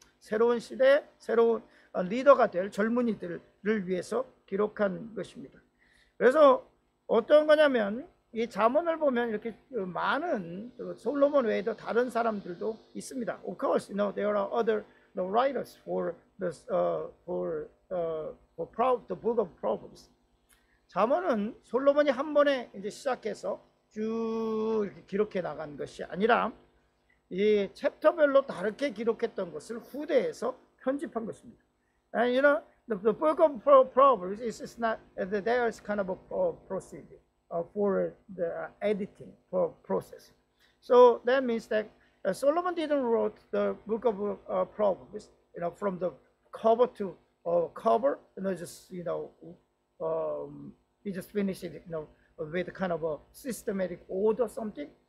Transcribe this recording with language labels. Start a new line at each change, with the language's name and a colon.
Korean: 새로운 시대 새로운 리더가 될 젊은이들을 위해서 기록한 것입니다. 그래서 어떤 거냐면 이 잠언을 보면 이렇게 많은 솔로몬 외에도 다른 사람들도 있습니다.
English: Of course, you know there are other the writers for the the book of Proverbs.
Korean: 잠언은 솔로몬이 한 번에 이제 시작해서 쭉 이렇게 기록해 나간 것이 아니라 이 챕터별로 다르게 기록했던 것을 후대에서 편집한 것입니다.
English: And you know the book of Proverbs is not there is kind of a procedure. For the editing for process. So that means that Solomon didn't write the book of Proverbs, you know, from the cover to cover, you know, he just finished it, you know, with kind of a systematic order or something.